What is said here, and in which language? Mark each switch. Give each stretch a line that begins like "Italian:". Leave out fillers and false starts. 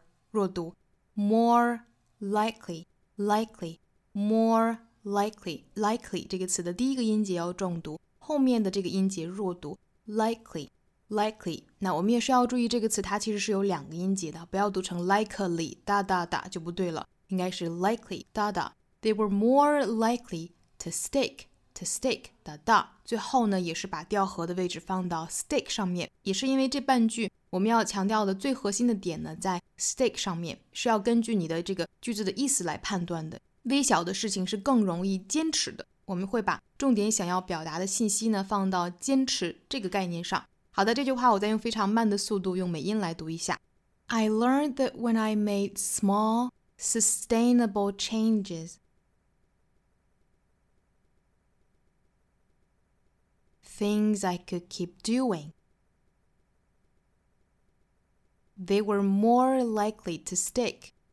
Chinese: 弱读 ，
English: more likely. More likely.
Chinese: 这个词的第一个音节要重读，后面的这个音节弱读 ，likely。 Likely， 那我们也是要注意这个词，它其实是有两个音节的，不要读成 likely， 哒哒哒就不对了，应该是 likely， 哒哒。
English: They were more likely to stick， 哒哒。
Chinese: 最后呢，也是把调和的位置放到 stick 上面，也是因为这半句我们要强调的最核心的点呢，在 stick 上面，是要根据你的这个句子的意思来判断的。微小的事情是更容易坚持的，我们会把重点想要表达的信息呢，放到坚持这个概念上。好的，这句话我再用非常慢的速度用美音来读一下。
English: I learned that when I made small, sustainable changes, things I could keep doing, they were more likely to stick.